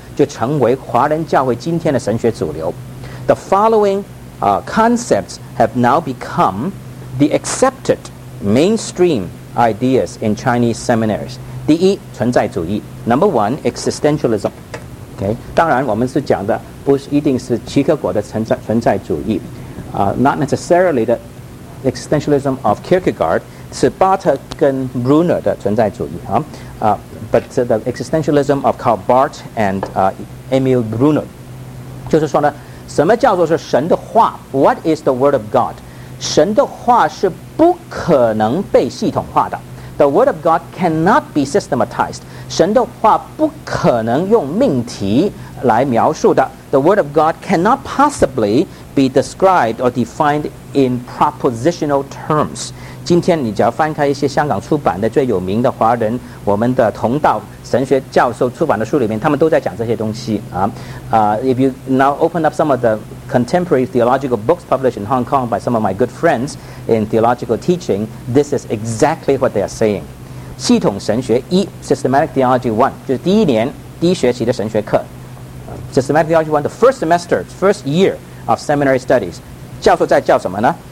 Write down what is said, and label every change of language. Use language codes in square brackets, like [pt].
[zh] 就成为华人教会今天的神学主流。 [en] The following concepts have now become the accepted mainstream ideas in Chinese seminaries. [zh] 第一，存在主义。 [en] Number one, existentialism. [zh] Okay, 当然我们是讲的不是一定是齐克果的存在主义。 [en] Not necessarily the existentialism of Kierkegaard. [zh] 是巴特跟 Brunner 的存在主义啊。 [en] But the existentialism of Karl Barth and Emil Brunner. [zh] 就是说呢什么叫做是神的话 [en] What is the word of God? [zh] 神的话是不可能被系统化的 [en] The word of God cannot be systematized. [zh] 神的话不可能用命题来描述的 [en] The word of God cannot possibly be described or defined in propositional terms. [zh] 今天你只要翻开一些香港出版的最有名的华人我们的同道神学教授出版的书里面他们都在讲这些东西啊。 [en] If you now open up some of the contemporary theological books published in Hong Kong by some of my good friends in theological teaching, this is exactly what they are saying. [zh] 系统神学一 Systematic Theology 1，就是第一年第一学期的神学课。 [en] Systematic Theology 1 the first semester, first year of seminary studies. [zh] 教授在教什么呢？